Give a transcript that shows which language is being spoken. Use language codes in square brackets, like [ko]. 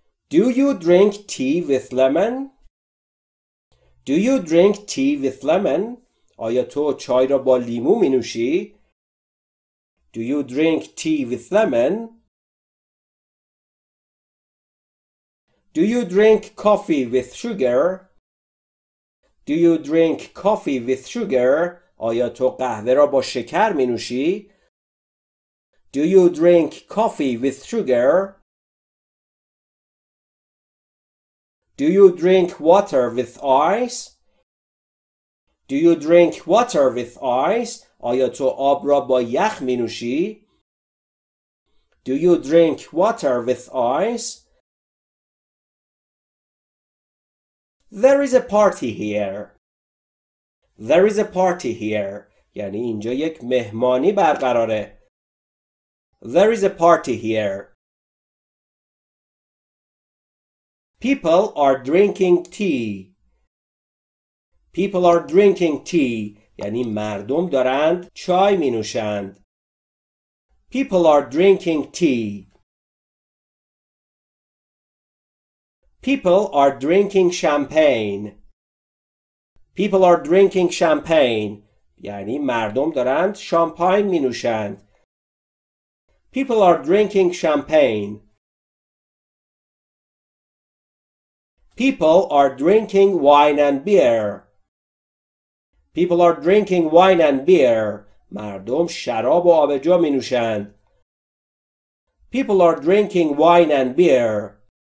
[en] Do you drink tea with lemon? Do you drink tea with lemon? [fa] آیا تو چای را با لیمو می نوشی؟ [en] Do you drink tea with lemon? Do you drink coffee with sugar? Do you drink coffee with sugar? [fa] آیا تو قهوه را با شکر می نوشی؟ [en] Do you drink coffee with sugar? Do you drink water with ice? Do you drink water with ice? [fa] آیا تو آب را با یخ می نوشی؟ [en] Do you drink water with ice? There is a party here. There is a party here. [fa] یعنی اینجا یک مهمانی برقراره. [en] There is a party here. People are drinking tea. People are drinking tea. [fa] یعنی مردم دارند چای می نوشند. [en] People are drinking tea. People are drinking champagne. People are drinking champagne. [fa] یعنی مردم دارند شامپاین می نوشند. [en] People are drinking champagne. People are drinking wine and beer. People are drinking wine and beer. [fa] مردم شراب و آبجو می نوشند. [en] People are drinking wine and beer.